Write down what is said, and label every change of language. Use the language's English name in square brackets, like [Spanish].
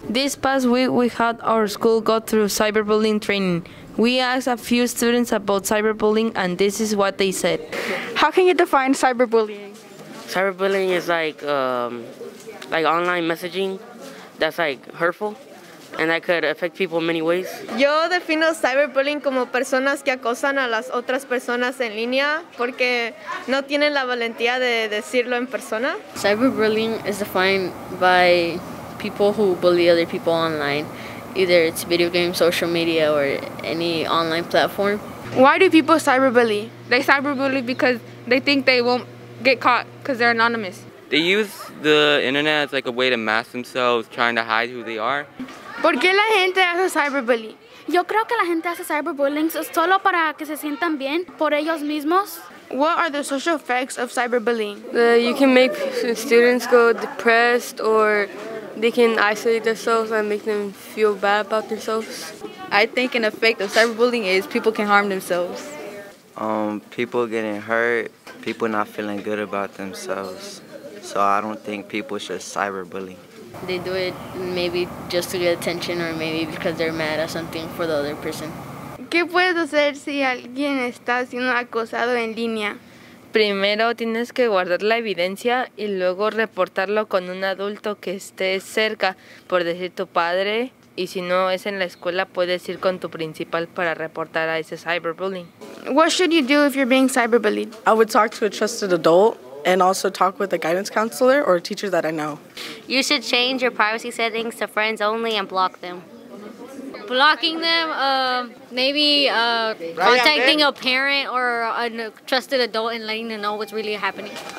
[English] This past week, we had our school go through cyberbullying training. We asked a few students about cyberbullying, and this is what they said. How can you define cyberbullying? Cyberbullying is like online messaging that's like hurtful. And that could affect people in many ways. [Spanish] Yo defino cyberbullying como personas que acosan a las otras personas en línea porque no tienen la valentía de decirlo en persona. [English] Cyberbullying is defined by people who bully other people online, either it's video games, social media, or any online platform. Why do people cyberbully? They cyberbully because they think they won't get caught because they're anonymous. They use the internet as like a way to mask themselves, trying to hide who they are. [Spanish] ¿Por qué la gente hace cyberbullying? Yo creo que la gente hace cyberbullying solo para que se sientan bien por ellos mismos. [English] What are the social effects of cyberbullying? You can make students go depressed or they can isolate themselves and make them feel bad about themselves. I think an effect of cyberbullying is people can harm themselves. People getting hurt, people not feeling good about themselves. So I don't think people should cyberbully. They do it maybe just to get attention or maybe because they're mad at something for the other person. [Spanish] ¿Qué puedes hacer si alguien está siendo acosado en línea? Primero tienes que guardar la evidencia y luego reportarlo con un adulto que esté cerca, por decir tu padre, y si no es en la escuela puedes ir con tu principal para reportar a ese cyberbullying. [English] What should you do if you're being cyberbullied? I would talk to a trusted adult. And also talk with a guidance counselor or a teacher that I know. You should change your privacy settings to friends only and block them. Blocking them, contacting a parent or a trusted adult and letting them know what's really happening.